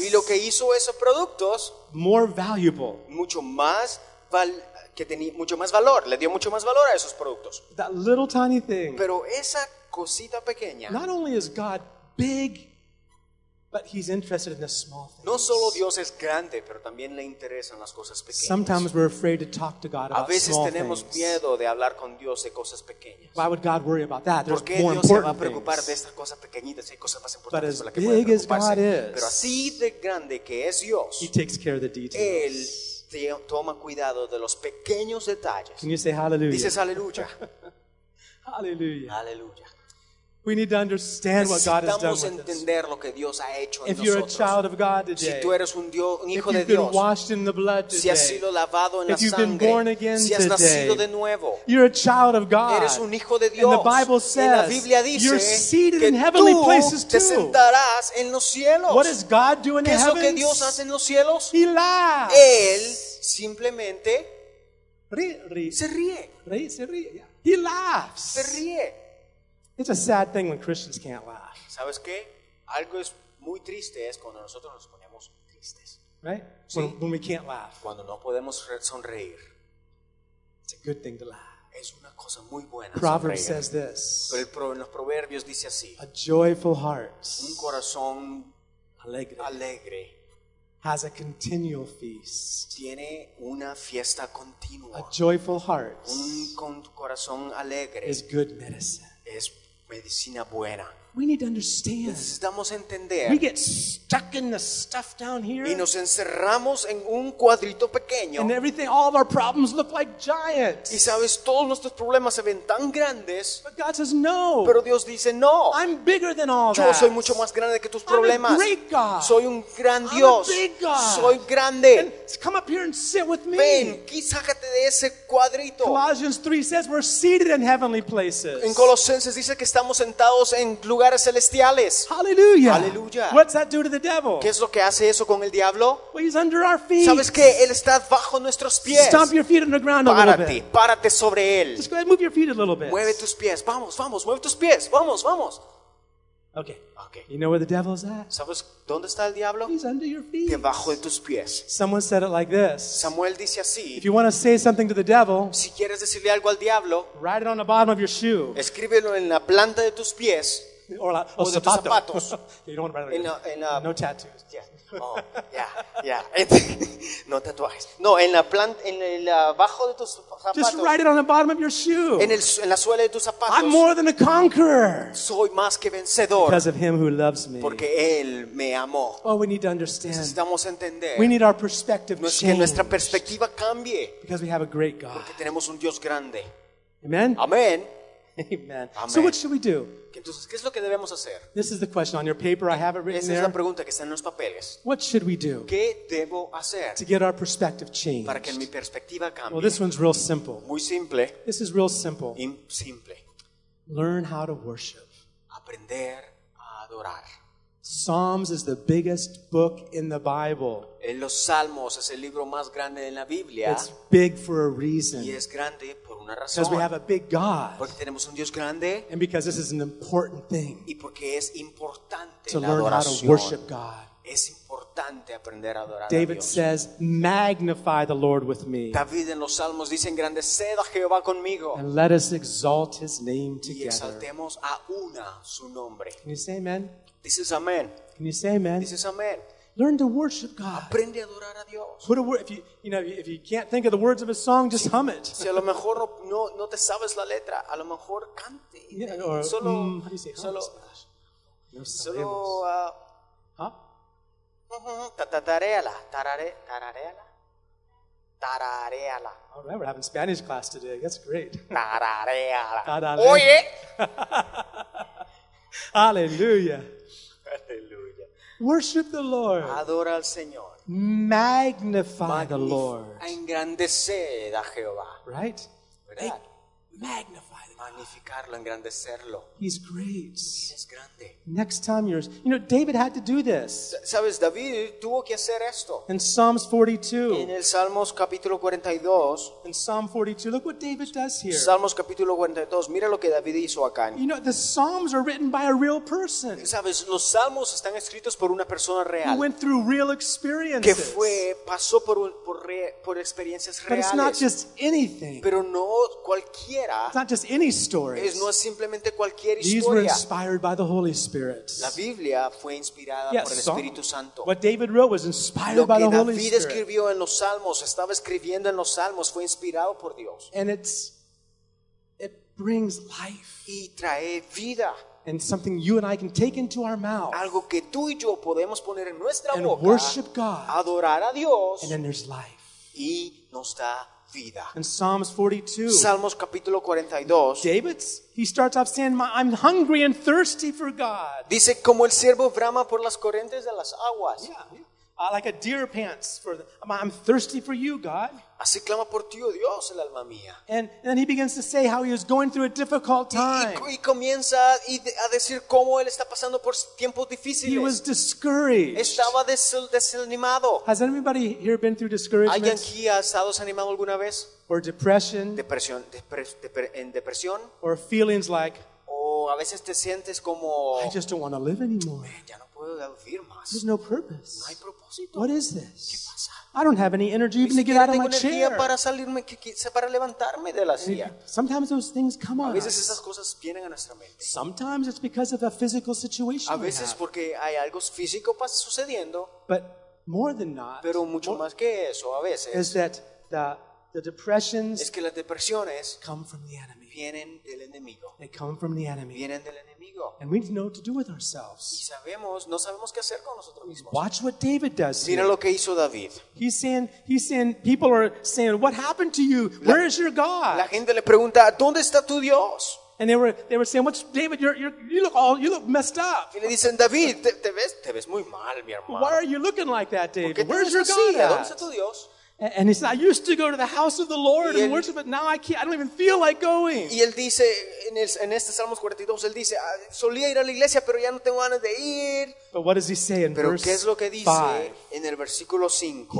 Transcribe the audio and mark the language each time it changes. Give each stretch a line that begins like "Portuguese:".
Spanish: Y lo que hizo esos productos.
English: More valuable.
Spanish: Mucho más valioso. Que tenía mucho más valor, le dio mucho más valor a esos productos.
English: That little tiny thing.
Spanish: Pero esa cosita pequeña.
English: Not only is God big, but he's interested in the small things.
Spanish: No solo Dios es grande, pero también le interesan las cosas pequeñas.
English: Sometimes we're afraid to talk to God about small things.
Spanish: A veces tenemos miedo de hablar con Dios de cosas pequeñas.
English: Why would God worry about that?
Spanish: ¿Por qué Dios se va a preocupar de estas cosas pequeñitas? Hay cosas más importantes por las que puede preocuparse. Pero así de grande que es Dios.
English: He takes care of the details.
Spanish: Él toma cuidado de los pequeños detalles.
English: Can you say hallelujah?
Spanish: Dices aleluya.
English: Hallelujah. Hallelujah. We need to understand what God has done with us.
Spanish: Lo que Dios ha hecho
English: if you're
Spanish: nosotros,
English: a child of God today,
Spanish: si tú eres un hijo
English: if
Spanish: de
English: you've
Spanish: Dios,
English: been washed in the blood today,
Spanish: si has sido lavado en
English: if
Spanish: la
English: you've
Spanish: sangre,
English: been born again
Spanish: si has
English: today,
Spanish: nacido de nuevo,
English: you're a child of God.
Spanish: Eres un hijo de Dios.
English: And the Bible says,
Spanish: la Biblia dice
English: you're seated in heavenly places too.
Spanish: Te sentarás en los cielos.
English: What does God do in
Spanish: ¿qué es
English: heavens?
Spanish: Lo que Dios hace en los cielos?
English: He laughs.
Spanish: Él simplemente se ríe.
English: Yeah. He laughs.
Spanish: Se ríe.
English: It's a sad thing when Christians can't laugh.
Spanish: ¿Sabes qué? Algo es muy triste es cuando nosotros nos ponemos tristes.
English: Right?
Spanish: Sí.
English: When we can't laugh.
Spanish: Cuando no podemos sonreír.
English: It's a good thing to laugh.
Spanish: Es una cosa muy buena
English: Proverbs
Spanish: sonreír.
English: Says this.
Spanish: Pero en los proverbios dice así. A joyful heart. Un corazón alegre. Alegre.
English: Has a continual feast.
Spanish: Tiene una fiesta continua.
English: A joyful heart.
Spanish: Un corazón alegre.
English: Is good medicine.
Spanish: Es medicina buena.
English: We need to understand.
Spanish: Necesitamos entender.
English: We get stuck in the stuff down here.
Spanish: Y nos encerramos en un cuadrito pequeño.
English: And everything, all of our problems look like giants.
Spanish: Y sabes, todos nuestros problemas se ven tan grandes.
English: But God says no.
Spanish: Pero Dios dice no.
English: I'm bigger than all
Spanish: yo
English: that.
Spanish: Soy mucho más grande que tus problemas.
English: I'm a great God.
Spanish: Soy un gran
English: I'm
Spanish: Dios.
English: A big God.
Spanish: Soy grande.
English: And come up here and sit with me.
Spanish: Ven, aquí, sácate de ese cuadrito.
English: Colossians 3 says we're seated in heavenly places.
Spanish: En Colosenses dice que estamos sentados en lugares lugares celestiales.
English: Hallelujah. Hallelujah. What's that do to the devil?
Spanish: ¿Qué es lo que hace eso con el diablo?
English: Well, he's under our feet.
Spanish: ¿Sabes qué? Él está bajo nuestros pies.
English: Stomp your feet on the ground a little bit.
Spanish: Párate, párate sobre él.
English: Just go ahead, move your feet a little bit.
Spanish: Mueve tus pies. Vamos, vamos, mueve tus pies. Vamos, vamos.
English: Okay. Okay. You know where the devil is at?
Spanish: ¿Sabes dónde está el diablo?
English: He's under your feet.
Spanish: Debajo de tus pies.
English: Someone said it like this.
Spanish: Samuel dice así.
English: If you want to say something to the devil,
Spanish: si quieres decirle algo al diablo,
English: write it on the bottom of your shoe.
Spanish: Escríbelo en la planta de tus pies.
English: Or
Spanish: la, o zapato. De tus zapatos.
English: You don't want to write it in no tattoos. Yeah. Oh, yeah, yeah.
Spanish: No tatuajes. No, en la planta, en el abajo de tus zapatos.
English: Just write it on the bottom of your shoe.
Spanish: En la suela de tus zapatos.
English: I'm more than a conqueror.
Spanish: Soy más que vencedor.
English: Because of him who loves me.
Spanish: Porque él me amó.
English: Oh, we need to understand.
Spanish: Necesitamos entender.
English: We need our perspective to change.
Spanish: Que nuestra perspectiva cambie.
English: Because we have a great God.
Spanish: Porque tenemos un Dios grande.
English: Amen.
Spanish: Amen.
English: Amen.
Spanish: Amen.
English: So what should we do?
Spanish: Entonces, ¿qué es lo que debemos hacer?
English: This is the question on your paper. I have it written there.
Spanish: Esa es la pregunta que está en los papeles.
English: What should we do?
Spanish: ¿Qué debo hacer?
English: To get our perspective changed.
Spanish: Para que mi perspectiva cambie.
English: Well, this one's real simple.
Spanish: Muy simple.
English: This is real simple.
Spanish: Simple.
English: Learn how to worship.
Spanish: Aprender a adorar.
English: Psalms is the biggest book in the Bible.
Spanish: En los Salmos es el libro más grande en la Biblia.
English: It's big for a reason.
Spanish: Y es grande por una razón.
English: Because we have a big God.
Spanish: Porque tenemos un Dios grande.
English: And because this is an important thing.
Spanish: Y porque es importante
English: to learn
Spanish: adoración.
English: How to worship God.
Spanish: Es importante aprender a adorar a Dios.
English: David says, "Magnify the Lord with me."
Spanish: David en los Salmos dice, "Engrandeced a Jehová conmigo."
English: And let us exalt his name together.
Spanish: Y exaltemos a una su nombre.
English: Can you say amen? This is amen. Can you say amen? This is amen. Learn to worship God.
Spanish: Aprende a adorar a Dios.
English: Put a word, if you can't think of the words of a song, just hum it.
Spanish: Si a lo mejor no te sabes la letra, a lo mejor cante.
English: Yeah, or,
Spanish: solo,
English: how do you say it?
Spanish: Solo, no solo, Tarareala. Tarareala. Tarareala.
English: All right, we're having Spanish class today. That's great.
Spanish: Tarareala. Tarareala. Oye.
English: Hallelujah. Hallelujah. Worship the Lord.
Spanish: Adora al Señor.
English: Magnify the Lord.
Spanish: Engrandeced a Jehová.
English: Right?
Spanish: ¿Verdad?
English: Magnify the
Spanish: magnificarlo, engrandecerlo.
English: He's great.
Spanish: Es grande.
English: Next time you're, you know, David had to do this.
Spanish: ¿Sabes? David tuvo que hacer esto.
English: In Psalms 42.
Spanish: En el Salmos capítulo 42.
English: In Psalm 42, look what David does here.
Spanish: Salmos capítulo 42. Mira lo que David hizo acá.
English: You know, the Psalms are written by a real person.
Spanish: ¿Sabes? Los Salmos están escritos por una persona real.
English: Who went through real experiences.
Spanish: Que fue, pasó por experiencias
English: but
Spanish: reales.
English: But it's not just anything.
Spanish: Pero no cualquier.
English: It's not just any stories.
Spanish: No es simplemente cualquier historia.
English: These were inspired by the Holy Spirit.
Spanish: La Biblia fue inspirada
English: yes,
Spanish: por el Espíritu Santo.
English: What David wrote was inspired
Spanish: lo que
English: by the
Spanish: David
English: Holy Spirit.
Spanish: David escribió en los Salmos, estaba escribiendo en los Salmos, fue inspirado por Dios.
English: And it brings life.
Spanish: Y trae vida.
English: And something you and I can take into our mouth.
Spanish: Algo que tú y yo podemos poner en nuestra
English: and
Spanish: boca.
English: And worship God.
Spanish: Adorar a Dios.
English: And then there's life.
Spanish: Y nos da vida.
English: In Psalms 42,
Spanish: Salmos capítulo 42,
English: David's he starts off saying, "I'm hungry and thirsty for God."
Spanish: Dice como el siervo brama por las corrientes de las aguas.
English: Yeah, like a deer pants for the, I'm thirsty for you, God.
Spanish: Así clama por ti, oh Dios, el alma mía.
English: And then he begins to say how he was going through a difficult time.
Spanish: Y comienza a decir cómo él está pasando por tiempos difíciles.
English: He was discouraged.
Spanish: Estaba desanimado.
English: Has anybody here been through discouragement?
Spanish: ¿Alguien aquí ha estado desanimado alguna vez?
English: Or depression?
Spanish: Depresión, en depresión.
English: Or feelings like
Spanish: a veces te sientes como
English: I just don't want to live anymore.
Spanish: Man, ya no puedo vivir más.
English: There's no purpose.
Spanish: No hay propósito.
English: What is this?
Spanish: ¿Qué pasa?
English: I don't have any energy even to get out of my chair.
Spanish: Para salirme, para levantarme de la silla.
English: Sometimes those things come
Spanish: a veces esas cosas vienen a nuestra mente.
English: Sometimes it's because of a physical situation.
Spanish: A veces porque hay algo físico sucediendo.
English: But more than not,
Spanish: pero mucho más que eso, a veces,
English: is that the depressions
Spanish: es que las depresiones
English: come from the enemy.
Spanish: Vienen del enemigo.
English: They come from the enemy.
Spanish: Vienen del enemigo.
English: And we need to know what to do with ourselves.
Spanish: Y sabemos, no sabemos qué hacer con nosotros mismos.
English: Watch what David does here.
Spanish: Mira lo que hizo David.
English: He's saying, people are saying, what happened to you? Where is your God?
Spanish: La gente le pregunta, ¿dónde está tu Dios?
English: And they were saying, "What's David? You look messed up."
Spanish: Y le dicen, David, te ves muy mal, mi hermano.
English: Why are you looking like that, David? Where's your God?
Spanish: ¿Dónde está tu Dios?
English: And he said, I used to go to the house of the Lord and worship, but now I can't. I don't even feel like going.
Spanish: Y él dice en este Salmos 42, él dice, solía ir a la iglesia, pero ya no tengo ganas de ir.
English: But what does he say in
Spanish: pero
English: verse 5?
Spanish: ¿Qué es lo que dice en el versículo 5?